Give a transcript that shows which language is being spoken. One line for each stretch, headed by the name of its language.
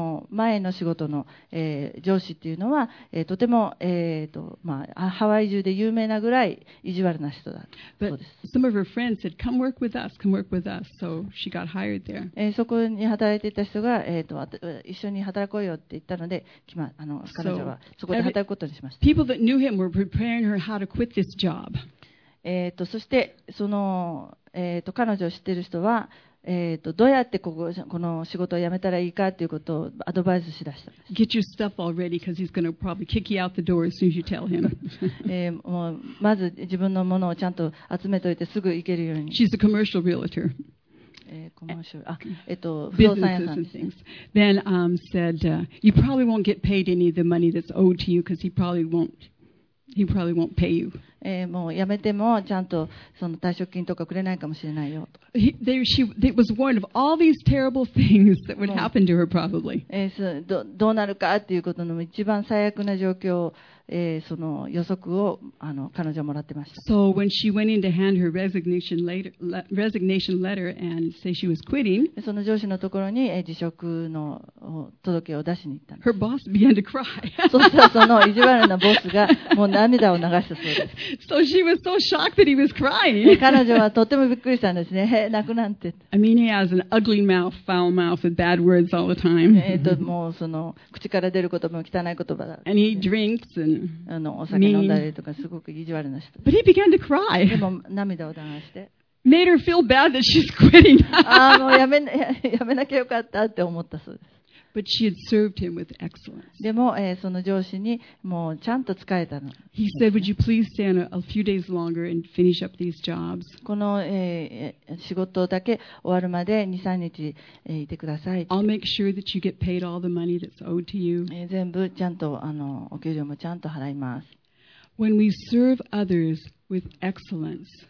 Japanese: 前の仕事の、上司っていうのは、とても、まあ、ハワイ中で有名なぐらい意地悪な人だそうです。
English: So she got hired there.
Japanese: そこに働いていた人が、一緒に働こうよって言ったので、彼女はそこで働くことにしました。
English: People that knew him were preparing her how to quit this job.
Japanese: そして、彼女を知っている人は、どうやってこの仕事を辞めたらいいかということをアドバイスしだしたんです。
English: Get your stuff already, because he's going to probably kick you out the door as soon as you tell him.
Japanese: もうまず自分のものをちゃんと集めておいてすぐ行けるように。
English: She's a commercial realtor. Then said, you probably won't get paid any of the money that's owed to you, because he probably won't pay you.
Japanese: もう辞めてもちゃんとその退職金とかくれないかもしれないよと。
English: It was warned of all these terrible things that would happen to her probably.
Japanese: どうなるかっていうことの一番最悪な状況、その予測を彼女はもらってました。
English: So when she went in to hand her resignation letter and say she was quitting,
Japanese: その上司のところに辞職の届けを出しに行ったんです。
English: Her boss began to cry.
Japanese: そしたらその意地悪なボスがもう涙を流したそうです。
English: So she was so shocked that he was crying.
Japanese: 彼女はとてもびっくりしたんですね。泣くなんて。
English: I mean, he has an ugly mouth, foul mouth with bad words all the time.
Japanese: もうその口から出る言葉も汚い言葉だ。
English: And he drinks and
Japanese: お酒飲んだりとかすごく意地悪な人。
English: But he began to cry.
Japanese: でも涙を流して。
English: Made her feel bad that she's quitting.
Japanese: ああ、もうやめなきゃよかったって思ったそうです。
English: But she had served him with excellence.
Japanese: でも、その上司にもうちゃんと仕えたの。
English: He said, "Would you please stay a few days longer and finish up these jobs?"
Japanese: この、仕事だけ終わるまで2、3日、いてください。
English: I'll make sure that you get paid all the money that's owed to you.
Japanese: 全部ちゃんとお給料もちゃんと払います。
English: When we serve others with excellence,